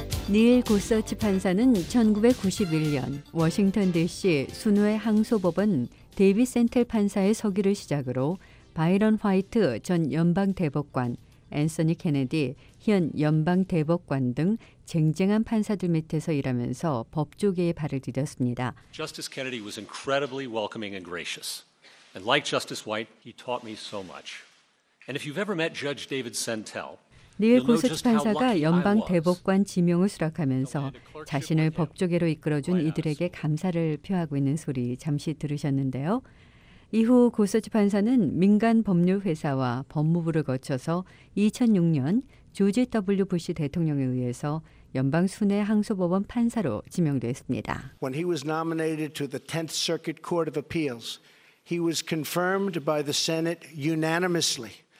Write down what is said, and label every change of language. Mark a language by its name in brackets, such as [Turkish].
[Korean] 닐 고서치 판사는 1991년 워싱턴 DC 순회 항소법은 데이비 센텔 판사의 서기를 시작으로 바이런 화이트 전 연방 대법관, 앤서니 케네디 현 연방 대법관 등 쟁쟁한 판사들 밑에서 일하면서 법조계에 발을 디뎠습니다. [English] Justice Kennedy was incredibly welcoming and gracious. And like Justice White, he taught me so much. And if you've ever met Judge David Sentell, [Korean] 닐 고서치 판사가 연방 대법관 지명을 수락하면서 자신을 법조계로 이끌어준 이들에게 감사를 표하고 있는 소리 잠시 들으셨는데요. 이후 고서치 판사는 민간 법률회사와 법무부를 거쳐서 2006년 조지 W. 부시 대통령에 의해서 연방 순회 항소법원 판사로 지명됐습니다. [English] When he was nominated to the 10th Circuit Court of Appeals, he was confirmed by the Senate unanimously.